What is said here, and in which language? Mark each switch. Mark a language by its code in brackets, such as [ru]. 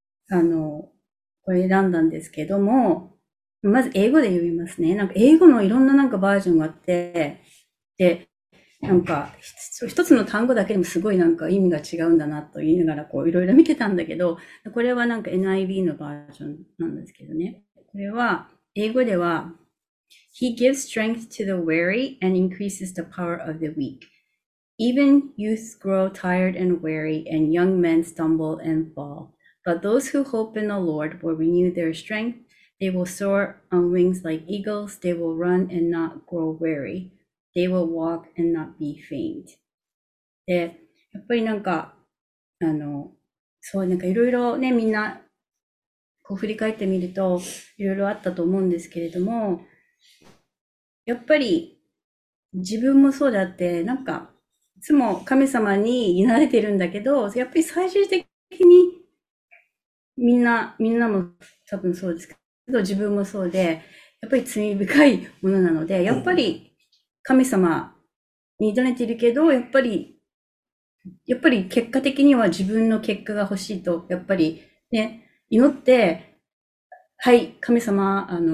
[ja] これ選んだんですけども、まず英語で読みますね。なんか英語のいろんななんかバージョンがあって、で、なんか一つの単語だけでもすごいなんか意味が違うんだなと言いながらこういろいろ見てたんだけど、これはなんか NIV のバージョンなんですけどね。 [en] これは英語では、He gives strength to the weary and increases the power of the weak. Even youths grow tired and weary and young men stumble and fall. But those who hope in the Lord will renew their strength. They will soar on wings like eagles. They will run and not grow weary. They will walk and not be faint. [ja] で、やっぱりなんか、そう、なんかいろいろね、みんな、こう振り返ってみると、いろいろあったと思うんですけれども、やっぱり、自分もそうだって、なんか、いつも神様に祈られてるんだけど、やっぱり最終的に、みんなも多分そうですけど、自分もそうで、やっぱり罪深いものなので、やっぱり神様に委ねているけど、やっぱり結果的には自分の結果が欲しいと、やっぱりね、祈って、はい、神様、